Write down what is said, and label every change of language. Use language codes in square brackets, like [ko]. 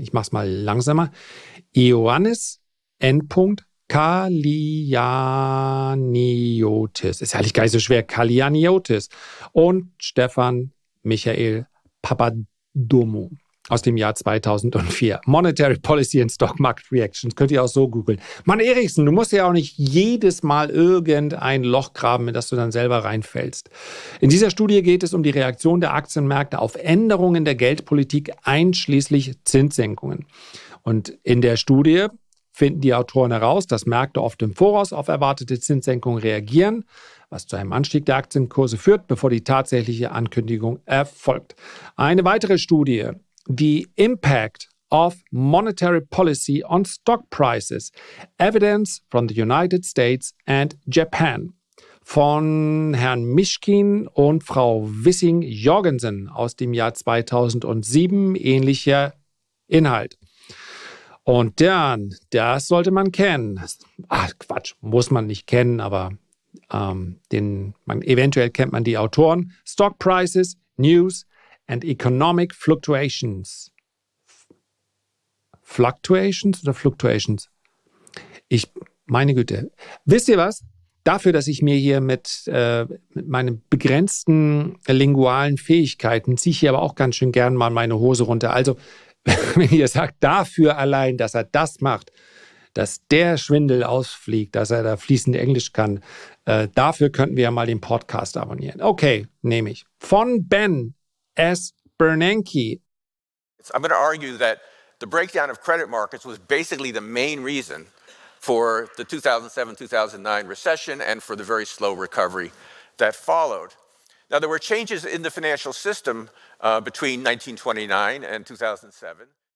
[de] Ich mach's mal langsamer. Ioannis N. Kalianiotis. Ist ja eigentlich gar nicht so schwer. Kalianiotis. Und Stefan Michael Papadomou aus dem Jahr 2004. [en] Monetary Policy and Stock Market Reactions. [de] Könnt ihr auch so googeln. Mann, Eriksen, du musst ja auch nicht jedes Mal irgendein Loch graben, in das du dann selber reinfällst. In dieser Studie geht es um die Reaktion der Aktienmärkte auf Änderungen der Geldpolitik, einschließlich Zinssenkungen. Und in der Studie finden die Autoren heraus, dass Märkte oft im Voraus auf erwartete Zinssenkungen reagieren, was zu einem Anstieg der Aktienkurse führt, bevor die tatsächliche Ankündigung erfolgt. Eine weitere Studie, [en] The Impact of Monetary Policy on Stock Prices, Evidence from the United States and Japan, [de] von Herrn Mishkin und Frau Wissing-Jorgensen aus dem Jahr 2007, ähnlicher Inhalt. Und dann, das sollte man kennen. Ach Quatsch, muss man nicht kennen, aber eventuell kennt man die Autoren. [en] Stock Prices, News and Economic Fluctuations. [de] Fluctuations oder Fluctuations? Meine Güte. Wisst ihr was? Dafür, dass ich mir hier mit meinen begrenzten lingualen Fähigkeiten ziehe ich hier aber auch ganz schön gern mal meine Hose runter. Also, wenn ihr sagt, dafür allein, dass er das macht, dass der Schwindel ausfliegt, dass er da fließend Englisch kann, dafür könnten wir ja mal den Podcast abonnieren. Okay, nehme ich. Von Ben S. Bernanke. [en] I'm going to argue that the breakdown of credit markets was basically the main reason for the 2007-2009 recession and for the very slow recovery that followed. Now, there were changes in the financial system between 1929 and 2007.